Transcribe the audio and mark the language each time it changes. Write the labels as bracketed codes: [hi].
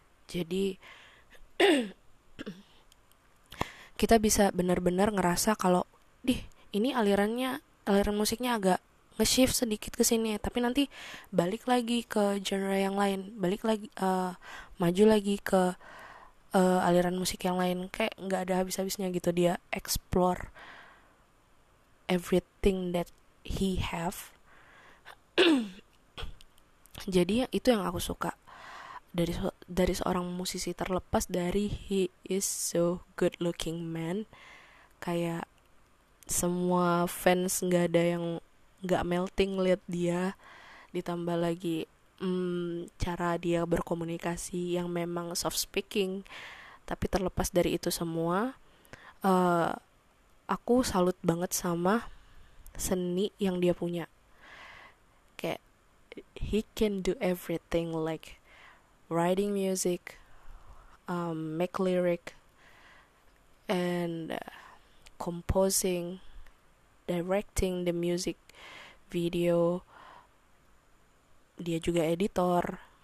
[id] Jadi kita bisa benar-benar ngerasa kalau dih, ini alirannya, aliran musiknya agak nge-shift sedikit ke sini, tapi nanti balik lagi ke genre yang lain, balik lagi maju lagi ke aliran musik yang lain, kayak nggak ada habis-habisnya gitu. Dia [en] explore everything that he have. [id] Jadi itu yang aku suka dari seorang musisi, terlepas dari [en] he is so good looking man, [id] kayak semua fans nggak ada yang gak melting liat dia. Ditambah lagi cara dia berkomunikasi yang memang soft speaking. Tapi terlepas dari itu semua, aku salut banget sama seni yang dia punya. [en] Kayak he can do everything, like writing music, make lyric, and composing, directing the music video, [id] dia juga editor.